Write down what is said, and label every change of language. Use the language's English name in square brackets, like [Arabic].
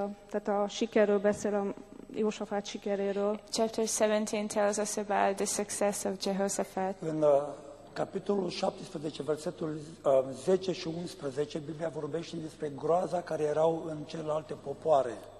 [Hungarian] Tata sikerről beszél a Jehoshaphat sikeréről. [English] Chapter 17 tells us about the success of Jehoshaphat. [Romanian] În capitolul 17, versetul 10 și 11, Biblia vorbește despre groaza care erau în celelalte popoare.